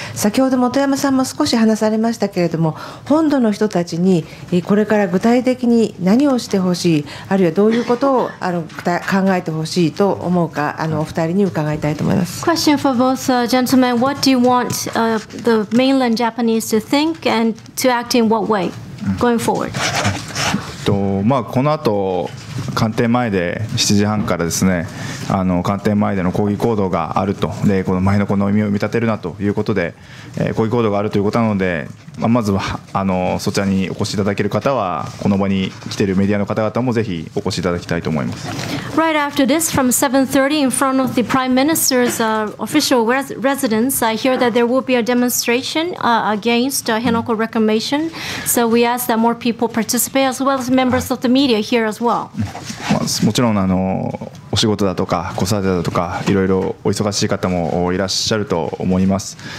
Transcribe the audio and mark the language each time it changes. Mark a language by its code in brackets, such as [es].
[ja] 先ほど本山さんも少し話されましたけれども、本土の人たちにこれから具体的に何をしてほしい、あるいはどういうことを考えてほしいと思うか、お二人に伺いたいと思います。 [en] Question for both gentlemen. What do you want the mainland Japanese to think and to act in what way going forward? [ja] この後官邸前で7時半からですね、官邸前での抗議行動があると、でこの前の子の耳を見立てるなということで、抗議行動があるということなので、まずはそちらにお越しいただける方は、この場に来ているメディアの方々もぜひお越しいただきたいと思います。 [en] Right after this, from 7:30 in front of the Prime Minister's official residence, I hear that there will be a demonstration against Henoko reclamation. So we ask that more people participate as well as members of the media here as well. [ja] もちろんお仕事だとか子育てだとかいろいろお忙しい方もいらっしゃると思います。